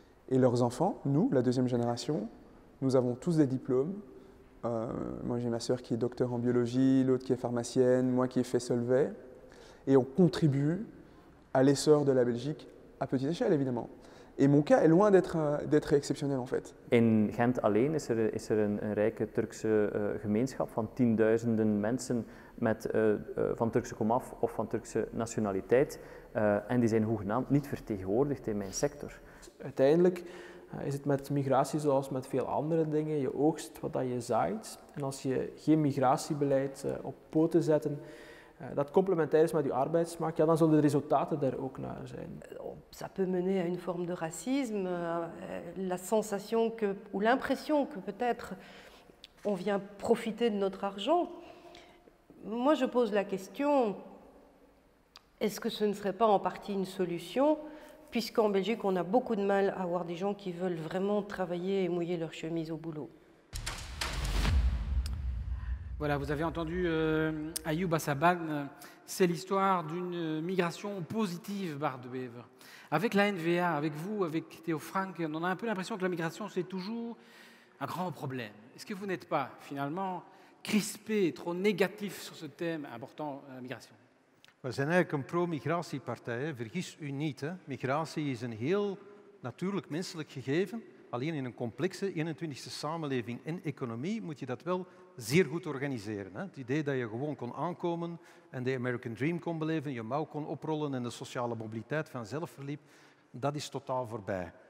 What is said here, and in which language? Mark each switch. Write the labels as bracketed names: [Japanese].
[French] Et leurs enfants, nous, la deuxième génération, nous avons tous des diplômes. Moi, j'ai ma sœur qui est docteur en biologie, l'autre qui est pharmacienne, moi qui ai fait Solvay. Et on contribue à l'essor de la Belgique à petite échelle, évidemment. Et mon cas est loin d'être exceptionnel, en fait. [Dutch] In Gent alleen is er een rijke Turkse gemeenschap van tienduizenden mensen van Turkse komaf of van Turkse nationaliteit. En die zijn hoegenaamd niet vertegenwoordigd in mijn sector. Uiteindelijk is het met migratie zoals met veel andere dingen. Je oogst wat je zaait. En als je geen migratiebeleid op poten zet, dat complementair is met je arbeidsmarkt, ja, dan zullen de resultaten daar ook naar zijn. [French] Ça peut mener à une forme de racisme. La sensation que, ou l'impression que peut-être on vient profiter de notre argent. Moi, je pose la question, est-ce que ce ne serait pas en partie une solution, puisqu'en Belgique, on a beaucoup de mal à avoir des gens qui veulent vraiment travailler et mouiller leur chemise au boulot. Voilà, vous avez entendu Ayoub Assaban, c'est l'histoire d'une migration positive, Bart De Wever. Avec la NVA, avec vous, avec Théo Franck, on a un peu l'impression que la migration, c'est toujours un grand problème. Est-ce que vous n'êtes pas, finalement, crispé, trop négatif sur ce thème important, la migration? [Dutch] We zijn eigenlijk een pro-migratiepartij. Vergis u niet. Hè. Migratie is een heel natuurlijk menselijk gegeven. Alleen in een complexe 21e samenleving en economie moet je dat wel zeer goed organiseren. Hè. Het idee dat je gewoon kon aankomen en de American Dream kon beleven, je mouw kon oprollen en de sociale mobiliteit vanzelf verliep, dat is totaal voorbij.